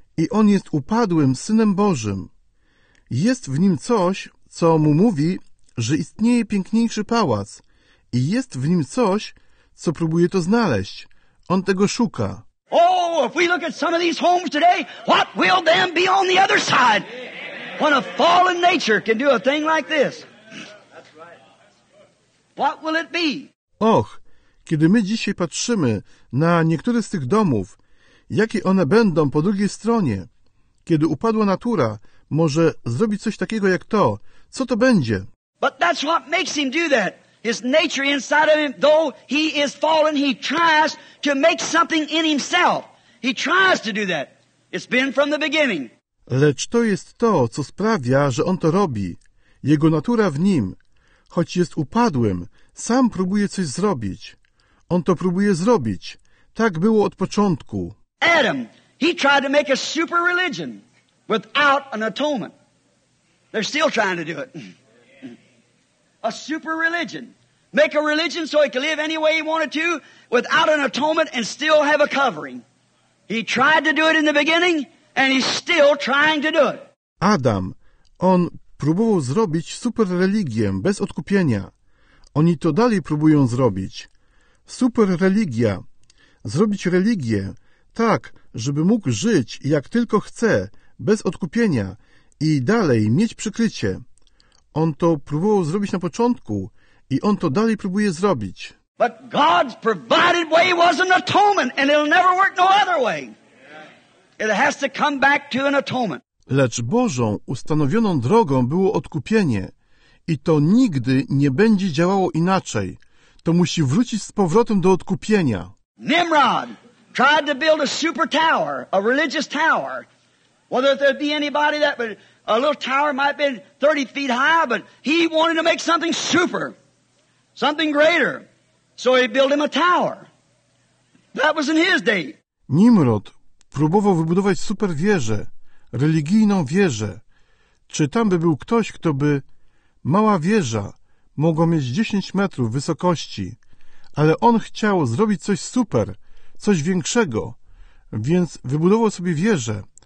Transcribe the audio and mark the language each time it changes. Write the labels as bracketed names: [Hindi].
[Polish] On jest upadłym Synem Bożym. Jest w nim coś, co mu mówi, że istnieje piękniejszy pałac. I jest w nim coś, co próbuje to znaleźć. On tego szuka. [English] Oh, if we look at some of these homes today, what will them be on the other side? When a fallen nature can do a thing like this. What will it be? [Polish] Och, kiedy my dzisiaj patrzymy na niektóre z tych domów, jakie one będą po drugiej stronie? Kiedy upadła natura, może zrobić coś takiego jak to. Co to będzie? [English] But that's what makes him do that. His nature inside of him, though he is fallen, he tries to make something in himself. He tries to do that. It's been from the beginning. [Polish] Lecz to jest to, co sprawia, że on to robi. Jego natura w nim. Choć jest upadłym, sam próbuje coś zrobić. On to próbuje zrobić. Tak było od początku. [English] Adam, he tried to make a super religion without an atonement. They're still trying to do it. A super religion. Make a religion so he could live any way he wanted to without an atonement and still have a covering. He tried to do it in the beginning. And he's still trying to do it. [Polish] Adam, on próbował zrobić superreligię bez odkupienia. Oni to dalej próbują zrobić. Superreligia. Zrobić religię tak, żeby mógł żyć jak tylko chce, bez odkupienia i dalej mieć przykrycie. On to próbował zrobić na początku i on to dalej próbuje zrobić. [English] But God's provided way was an atonement and it'll never work no other way. It has to come back to an atonement. [Polish] Lecz Bożą ustanowioną drogą było odkupienie i to nigdy nie będzie działało inaczej. To musi wrócić z powrotem do odkupienia. [English] Nimrod tried to build a super tower, a religious tower. Whether there'd be anybody that would, a little tower might be 30 feet high, but he wanted to make something super, something greater. So he built him a tower. That was in his day. [Polish] Nimrod próbował wybudować super wieżę, religijną wieżę. Czy tam by był ktoś, kto by... Mała wieża mogła mieć 10 metrów wysokości, ale on chciał zrobić coś super, coś większego, więc wybudował sobie wieżę.